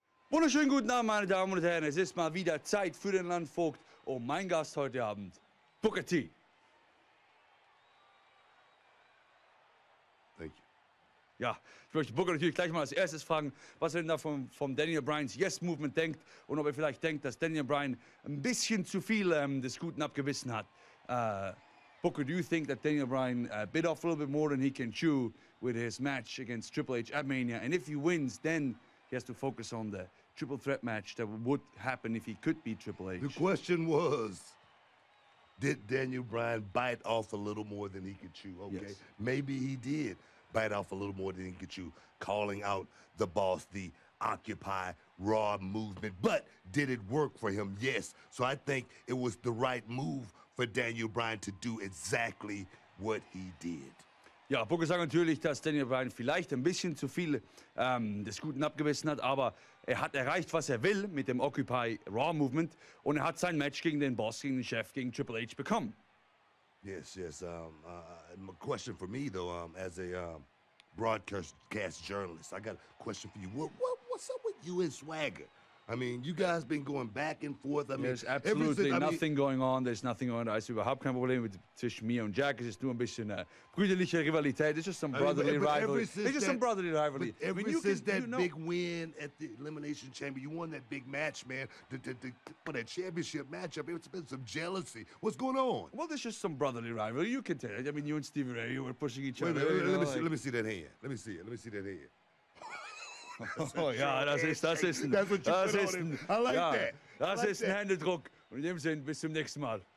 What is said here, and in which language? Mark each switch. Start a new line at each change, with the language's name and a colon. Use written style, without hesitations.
German: Wunderschönen guten Abend, meine Damen und Herren. Es ist mal wieder Zeit für den Landvogt und mein Gast heute Abend, Booker T.
English: Thank you.
German: Ja, ich möchte Booker natürlich gleich mal als erstes fragen, was er denn da vom Daniel Bryans Yes-Movement denkt und ob er vielleicht denkt, dass Daniel Bryan ein bisschen zu viel des Guten abgewissen hat.
English: Booker, do you think that Daniel Bryan bit off a little bit more than he can chew with his match against Triple H at Mania? And if he wins, then he has to focus on the triple threat match that would happen if he could beat Triple H. The question was, did Daniel Bryan bite off a little more than he could chew? Okay, yes. Maybe he did bite off a little more than he could chew, calling out the boss, the Occupy Raw movement. But did it work for him? Yes. So I think it was the right move for Daniel Bryan to do exactly what he did.
German: Ja, Booker sagt natürlich, dass Daniel Bryan vielleicht ein bisschen zu viel des Guten abgewissen hat, aber er hat erreicht, was er will mit dem Occupy Raw Movement und er hat sein Match gegen den Boss, gegen den Chef, gegen Triple H bekommen.
English: Yes, yes. My question for me though, as a broadcast journalist, I got a question for you. What's up with you and Swagger? I mean, you guys been going back and forth. There's nothing going on. I see
German: überhaupt kein Problem zwischen mir und Jack. Es ist nur ein bisschen brüderliche Rivalität.
English: It's just some brotherly rivalry. Big win at the Elimination Chamber, you won that big match, man. For that championship matchup, it's been some jealousy. What's going on? Well, there's just some brotherly rivalry. You can tell. I mean, you and Stevie Ray, you were pushing each wait, other. Let me see that hand.
German: Oh ja, das ist ein Händedruck. Und in dem Sinn, bis zum nächsten Mal.